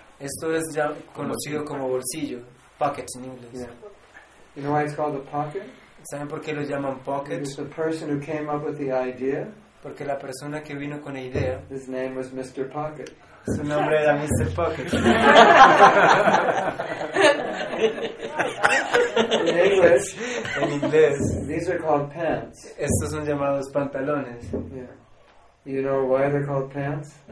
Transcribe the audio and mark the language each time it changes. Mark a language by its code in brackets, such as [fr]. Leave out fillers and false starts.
[es] Esto es ya conocido como bolsillo, pocket en inglés. [en] Yeah. You know why it's called a pocket? [es] ¿Saben por qué lo llaman pocket? [en] It's the person who came up with the idea. [es] Porque la persona que vino con la idea. [en] His name was Mr. Pocket. [es] Su nombre era Mr. Pocket. [en] In English, [es] en inglés. [en] These are called pants. [es] Estos son llamados pantalones. [en] Yeah. You know why they're called pants?